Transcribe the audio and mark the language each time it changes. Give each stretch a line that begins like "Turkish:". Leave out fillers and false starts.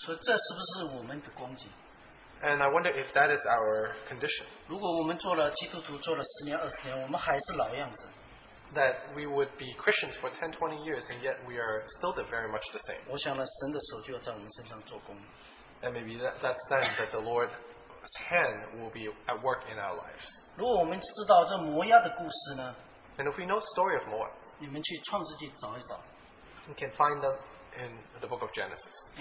Chinese: 所以这是不是我们的光景?
English: And I wonder if that is our condition.
Chinese: 如果我们做了基督徒, 做了十年, 二十年, 我们还是老样子,
English: that we would be Christians for 10, 20 years and yet we are still very much the same.
Chinese: 我想呢,
English: and maybe that's then that the Lord's hand will be at work in our lives.
Chinese: 如果我们知道这摩押的故事呢,
English: and if we know the story of Moab,
Chinese: 你们去创世纪找一找,
English: we can find them in the book of Genesis.